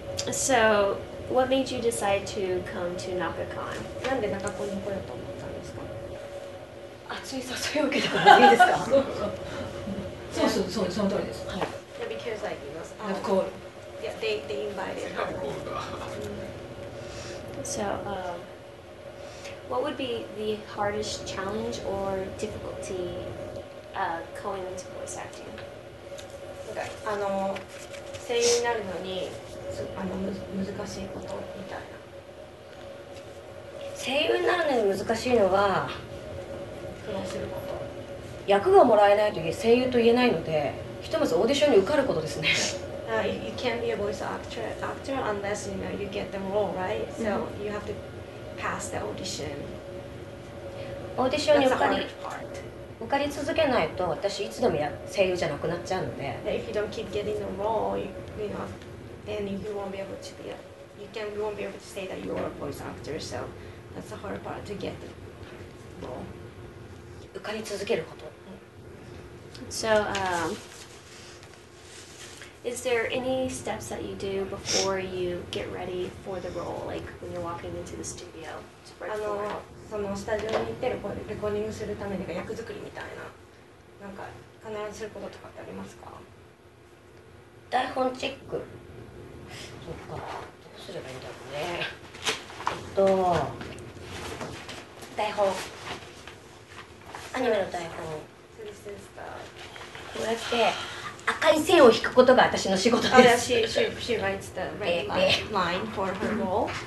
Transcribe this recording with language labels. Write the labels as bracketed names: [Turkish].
[English] So, what made you decide to come to Nakacon? [Japanese] なんで Nakacon に来ようと思ったんですか？熱い誘いを受けたからいいですか？そうそう、そう、その通りです。 [English] はい。Because like, you know, of course. Yeah, they invited me. So, what would be the hardest challenge or difficulty going into voice acting? [Japanese] なんかあの声優になるのにあの難しいことみたいな。声優になるのに難しいのは苦労すること。役がもらえないと声優と言えないので、ひとまずオーディションに受かることですね。 [English] You can't be a voice actor unless you know you get the role, right? So you have to pass the audition. [Japanese] オーディションに受かり続けないと、私いつでも声優じゃなくなっちゃうので。 [English] If you don't keep getting the role, you know, then you won't be able to be a, you can, you won't be able to say that you're a voice actor. So that's the hard part to get the role. [Japanese] 受かり続けること。 [English] So, is there any steps that you do before you get ready for the role, like when you're walking into the studio? [Japanese] あの、そのスタジオに行ってレコーディングするためにか役作りみたいな、なんか必ずすることとかってありますか？台本チェック。そっか、どうすればいいんだろうね。台本。アニメの台本、こうやって赤い線を引くことが私の仕事です。 [English] She writes the red line for her role.